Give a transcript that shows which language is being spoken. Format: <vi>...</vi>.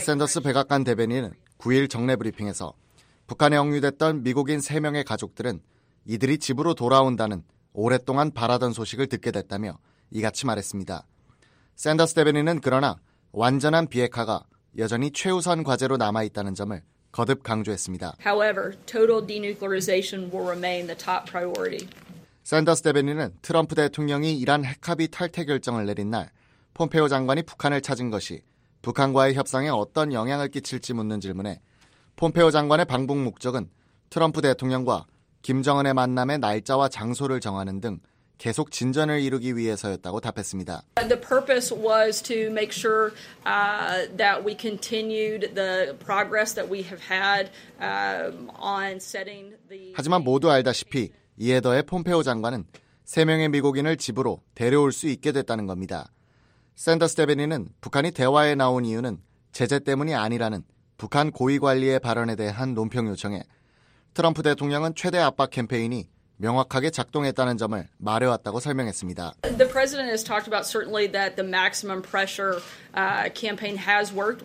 <ko>샌더스 백악관 대변인은 9일 정례 브리핑에서 북한에 억류됐던 미국인 3명의 가족들은 이들이 집으로 돌아온다는 오랫동안 바라던 소식을 듣게 됐다며 이같이 말했습니다. 샌더스 대변인은 그러나 완전한 비핵화가 여전히 최우선 과제로 남아있다는 점을 거듭 강조했습니다.</ko> <en>However, total denuclearization will remain the top priority.</en> <ko>샌더스 대변인은 트럼프 대통령이 이란 핵합의 탈퇴 결정을 내린 날 폼페오 장관이 북한을 찾은 것이 북한과의 협상에 어떤 영향을 끼칠지 묻는 질문에 폼페오 장관의 방북 목적은 트럼프 대통령과 김정은의 만남의 날짜와 장소를 정하는 등 계속 진전을 이루기 위해서였다고 답했습니다.</ko> <en>The purpose was to make sure that we continued the progress that we have had on setting the</en> <ko>하지만 모두 알다시피 이에 더해 폼페오 장관은 세 명의 미국인을 집으로 데려올 수 있게 됐다는 겁니다. 샌더스 대변인은 북한이 대화에 나온 이유는 제재 때문이 아니라는 북한 고위 관리의 발언에 대한 논평 요청에 트럼프 대통령은 최대 압박 캠페인이 명확하게 작동했다는 점을 말해왔다고 설명했습니다.</ko> <en>The president has talked about certainly that the maximum pressure campaign has worked.</en>